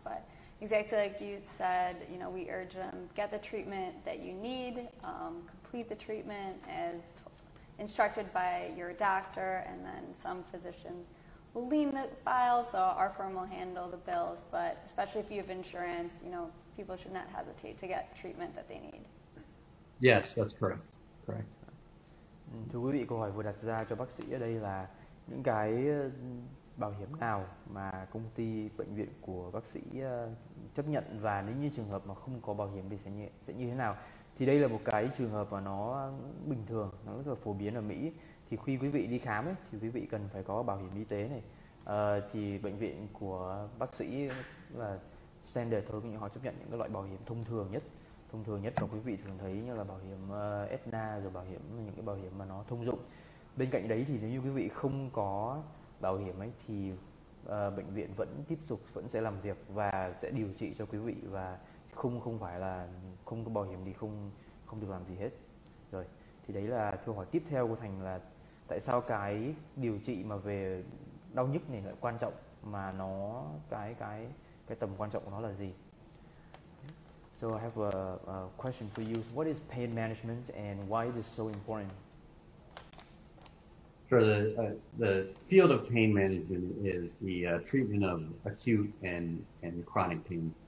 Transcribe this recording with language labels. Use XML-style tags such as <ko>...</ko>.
<en>But exactly like you said, you know, we urge them, get the treatment that you need, complete the treatment as instructed by your doctor, and then some physicians will lien the file, so our firm will handle the bills. But especially if you have insurance, you know, people should not hesitate to get treatment that they need. Yes, that's correct. Correct.</en> <vi>Thưa quý vị, câu hỏi vừa đặt ra cho bác sĩ ở đây là những cái bảo hiểm nào mà công ty bệnh viện của bác sĩ chấp nhận, và nếu như trường hợp mà không có bảo hiểm thì sẽ như thế nào. Thì đây là một cái trường hợp mà nó bình thường, nó rất là phổ biến ở Mỹ. Thì khi quý vị đi khám ấy, thì quý vị cần phải có bảo hiểm y tế này. Thì bệnh viện của bác sĩ là standard thôi, họ chấp nhận những cái loại bảo hiểm thông thường nhất. Thông thường nhất mà quý vị thường thấy như là bảo hiểm Aetna, rồi bảo hiểm những cái bảo hiểm mà nó thông dụng. Bên cạnh đấy thì nếu như quý vị không có bảo hiểm ấy thì bệnh viện vẫn tiếp tục, vẫn sẽ làm việc và sẽ điều trị cho quý vị, và không phải là không có bảo hiểm thì không được làm gì hết. Rồi, thì đấy là câu hỏi tiếp theo của Thành là tại sao cái điều trị mà về đau nhức này lại quan trọng, mà nó cái tầm quan trọng của nó là gì?</vi> <en>So I have a question for you. What is pain management and why is it so important? Sure. The field of pain management is the treatment of acute and chronic pain.</en>